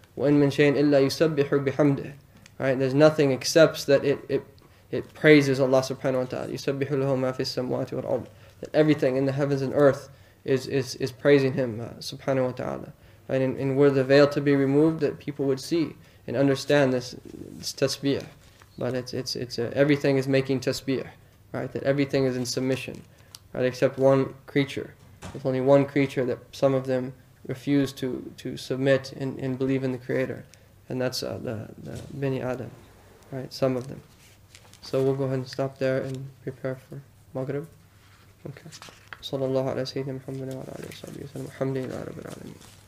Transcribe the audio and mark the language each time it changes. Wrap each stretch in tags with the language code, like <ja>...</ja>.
<ar>وَإِن مِن شَيْءٍ إِلَّا يُسَبِّحُ بِحَمْدِهِ, right?</ar> <en>There's nothing except that it praises Allah subhanahu wa ta'ala.</en> <ar>يُسَبِّحُ لَهُ مَا فِي السَّمَوَاتِ وَالْأَرْضِ,</ar> <en>that everything in the heavens and earth is praising him, subhanahu wa ta'ala. Right? And were the veil to be removed, that people would see and understand this tasbih. But it's everything is making tasbih, right? That everything is in submission, right? Except one creature. There's only one creature that some of them refuse to submit and believe in the Creator. And that's the Bani Adam, right? Some of them. So we'll go ahead and stop there and prepare for Maghrib. Okay.</en> <ar>صلى الله على سيدنا محمد وعلى آله وصحبه وسلم الحمد لله رب العالمين.</ar>